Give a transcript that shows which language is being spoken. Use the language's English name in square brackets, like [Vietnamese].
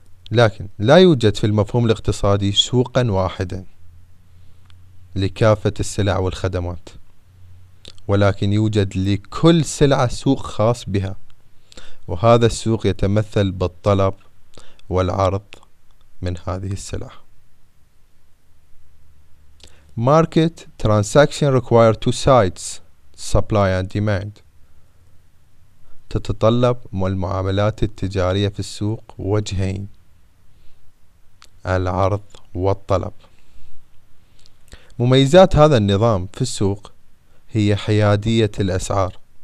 [Arabic] لكن لا يوجد في المفهوم الاقتصادي سوقا واحدا لكافة السلع والخدمات، ولكن يوجد لكل سلعة سوق خاص بها، وهذا السوق يتمثل بالطلب والعرض من هذه السلع. [English] Market transaction require two sides, supply and demand. [Arabic] تتطلب المعاملات التجارية في السوق وجهين، العرض والطلب. مميزات هذا النظام في السوق هي حيادية الأسعار.